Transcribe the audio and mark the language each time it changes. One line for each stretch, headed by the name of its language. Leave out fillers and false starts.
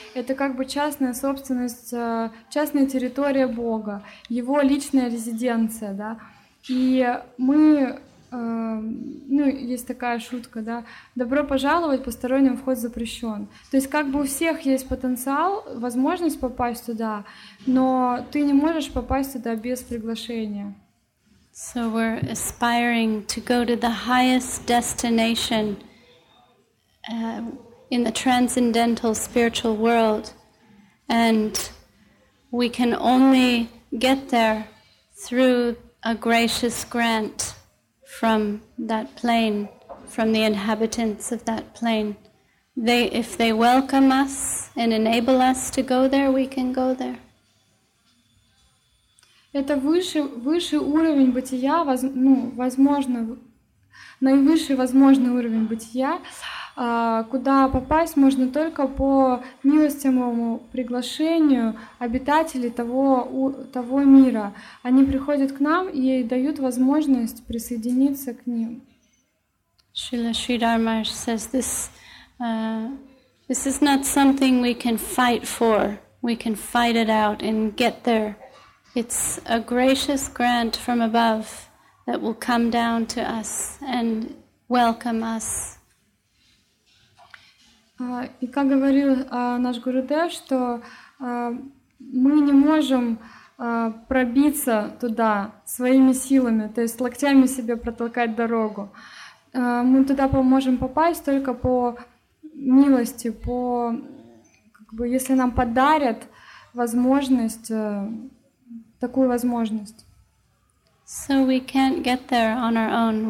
Russian: Это как бы частная собственность, частная территория Бога, его личная резиденция, да. И мы ну, есть такая шутка, да, добро пожаловать, посторонним вход запрещен. То есть как бы у всех есть потенциал, возможность попасть туда, но ты не можешь попасть туда без приглашения.
English: So we're aspiring to go to the highest destination in the transcendental spiritual world, and we can only get there through a gracious grant from that plane, from the inhabitants of that plane. If they welcome us and enable us to go there, we can go there.
Russian: Это высший уровень бытия, возможно, наивысший возможный уровень бытия, куда попасть можно только по милостивому приглашению обитателей того мира. Они приходят к нам и дают возможность присоединиться к ним.
English: Шрила Шридхар Махарадж says this is not something we can fight for. We can fight it out and get there. It's a gracious grant from above that will come down to us and welcome us.
Russian: И как говорил наш Гурудев, что мы не можем пробиться туда своими силами, то есть локтями себе протолкать дорогу. Мы туда можем попасть только по милости, по, как бы, если нам подарят возможность, такую возможность.
English: So we can't get there on our own.